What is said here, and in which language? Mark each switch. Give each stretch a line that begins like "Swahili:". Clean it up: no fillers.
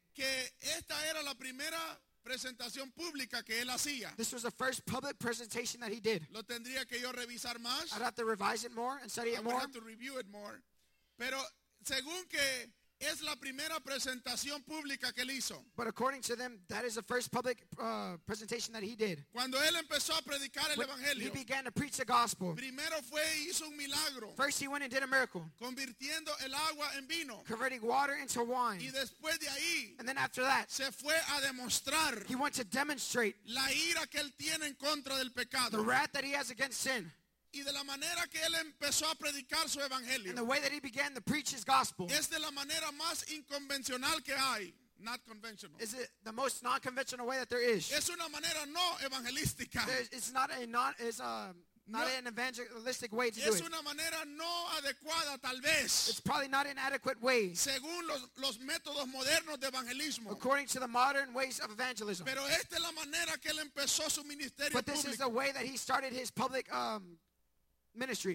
Spanish: Que esta era la primera presentación pública que él hacía.
English: This was the first public presentation that he did.
Spanish: Lo tendría que yo revisar más.
English: I'd have to revise it more and study it more. I would have to review it more.
Spanish: Pero según que es la primera presentación pública que él hizo.
English: But according to them, that is the first public presentation that he did.
Spanish: Cuando él empezó a predicar el evangelio,
English: he began to preach the gospel.
Spanish: Primero fue y hizo un milagro.
English: First he went and did a miracle.
Spanish: Convirtiendo el agua en vino.
English: Converting water into wine.
Spanish: Y después de ahí,
English: and then after that,
Spanish: se fue a demostrar.
English: He went to demonstrate
Spanish: la ira que él tiene en contra del pecado.
English: The wrath that he has against sin.
Spanish: Y de la manera que él empezó a predicar su evangelio.
English: And the way that he began to preach his gospel.
Spanish: Es de la manera más inconvencional que hay.
English: Not conventional. Is it the most non-conventional way that there is?
Spanish: Es una manera no evangelística.
English: It's not a non, it's a not an evangelistic way to do it.
Spanish: Es una manera no adecuada, tal vez.
English: It's probably not an adequate way.
Spanish: Según los métodos modernos de evangelismo.
English: According to the modern ways of evangelism.
Spanish: Pero esta es la manera que él empezó su ministerio.
English: But this
Spanish: público.
English: Is the way that he started his public ministry.